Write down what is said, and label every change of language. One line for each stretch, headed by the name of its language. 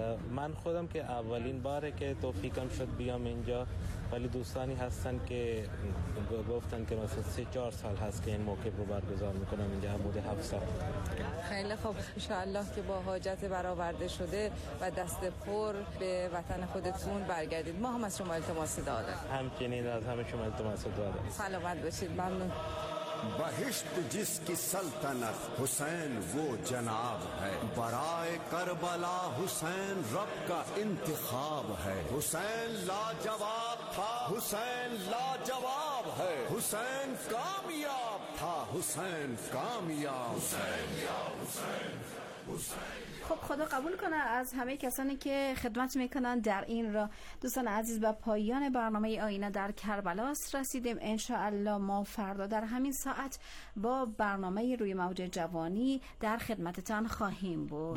Persian: من خودم که اولین باره که توفیقم شد بیام اینجا، ولی دوستانی هستن که گفتن که مثلا 3-4 سال هست که این موقع رو برگزار میکنم اینجا، بوده 7 سال. خیلی خوب، انشاءالله که با حاجت برآورده شده و دست پر به وطن خودتون برگردید. ما هم از شما التماس دعا داریم. همچنین از همه شما التماس دعا داریم. سلامت باشید. ممنون.
Urdu: بهشت جس کی سلطنت حسین وہ جناب ہے، برائے کربلا حسین رب کا انتخاب ہے، حسین لاجواب تھا حسین لاجواب ہے، حسین کامیاب تھا حسین کامیاب، حسین یا حسین حسین.
Persian: خب خدا قبول کنه از همه کسانی که خدمت میکنن در این را. دوستان عزیز، به پایان برنامه آینه در کربلا رسیدیم. انشاءالله ما فردا در همین ساعت با برنامه روی موج جوانی در خدمتتان خواهیم بود.